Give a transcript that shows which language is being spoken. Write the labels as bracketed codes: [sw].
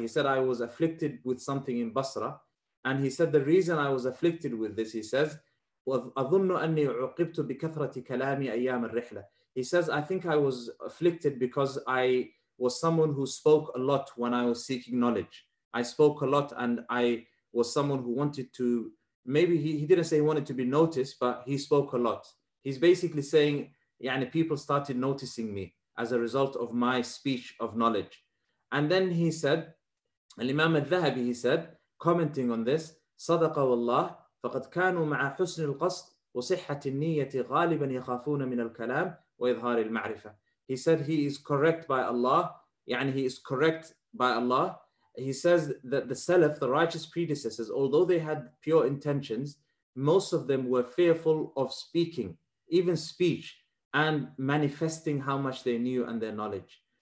[en] He said, I was afflicted with something in Basra. And he said, the reason I was afflicted with this, he says, [ar] أَظُنُّ أَنِّي عُقِبْتُ بِكَثْرَةِ كَلَامِ أَيَّامَ الرِّحْلَةِ [en] He says, I think I was afflicted because I was someone who spoke a lot when I was seeking knowledge. I spoke a lot and I was someone who wanted to, maybe he didn't say he wanted to be noticed, but he spoke a lot. He's basically saying, yani, people started noticing me as a result of my speech of knowledge. And then he said, Al-Imam al-Dhahabi, he said, commenting on this, [ar] صَدَقَ وَاللَّهِ فَقَدْ كَانُوا مَعَ حُسْنِ الْقَصْدِ وَصِحَّةِ النِّيَّةِ غَالِبًا يَخَافُونَ مِنَ الْكَلَامِ وَإِظْهَارِ الْمَعْرِفَةِ [en] He said he is correct by Allah. يعني he is correct by Allah. He says that the Salaf, the righteous predecessors, although they had pure intentions, most of them were fearful of speaking, even speech, and manifesting how much they knew and their knowledge.